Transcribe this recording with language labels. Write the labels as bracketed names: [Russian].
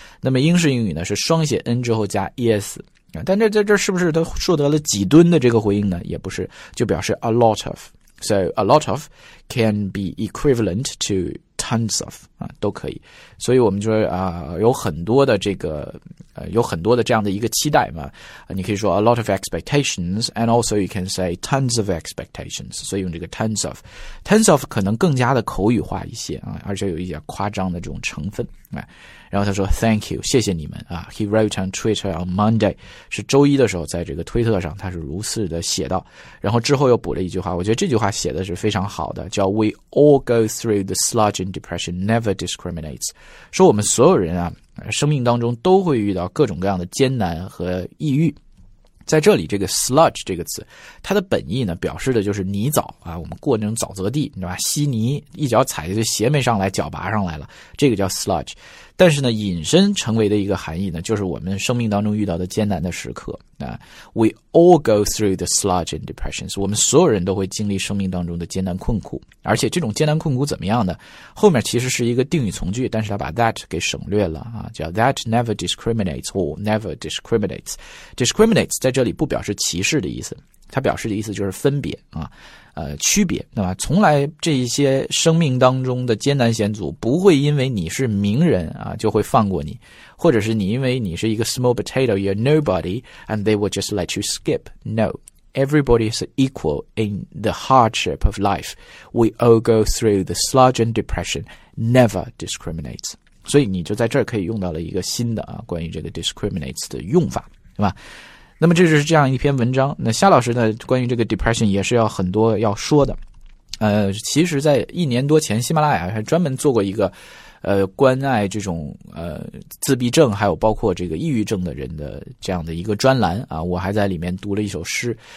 [Chinese] 那么英式英语呢是双写 n 之后加 es。但这是不是他获得了几吨的这个回应呢？也不是，就表示 [English] a lot of. So, a lot of can be equivalent to tons of. [Chinese] 啊，都可以。所以我们就说啊，有很多的这个有很多的这样的一个期待嘛。 [English] 你可以说 a lot of expectations, and also you can say tons of expectations. [Chinese] 所以用这个 tons of, tons of 可能更加的口语化一些啊，而且有一些夸张的这种成分。哎、啊，然后他说 thank you, 谢谢你们啊。 [English] He wrote on Twitter on Monday, [Chinese] 是周一的时候在这个推特上他是如此的写到，然后之后又补了一句话，我觉得这句话写的是非常好的，叫 [English] we all go through the sludge and depression. Never discriminates. [Chinese] 说我们所有人啊，生命当中都会遇到各种各样的艰难和抑郁。在这里这个 sludge 这个词，它的本意呢表示的就是泥沼啊，我们过那种沼泽地，对吧，稀泥一脚踩就鞋没上来脚拔上来了，这个叫 sludge。但是呢引申成为的一个含义呢，就是我们生命当中遇到的艰难的时刻啊。 [English] We all go through the sludge and depressions. [Chinese] 我们所有人都会经历生命当中的艰难困苦。而且这种艰难困苦怎么样呢，后面其实是一个定语从句，但是他把 that 给省略了啊，叫 [English] that never discriminates or never discriminates. [Chinese] Discriminates 在这里不表示歧视的意思，它表示的意思就是分别啊，区别，对吧？从来这一些生命当中的艰难险阻不会因为你是名人啊就会放过你，或者是你因为你是一个 [English] small potato, you're nobody, and they will just let you skip. No, everybody is equal in the hardship of life. We all go through the sludge and depression, never discriminates. [Chinese] 所以你就在这儿可以用到了一个新的啊关于这个 discriminates 的用法，对吧？那么这就是这样一篇文章。那夏老师呢关于这个 depression 也是要很多要说的。其实在一年多前喜马拉雅还专门做过一个关爱这种自闭症还有包括这个抑郁症的人的这样的一个专栏啊，我还在里面读了一首诗。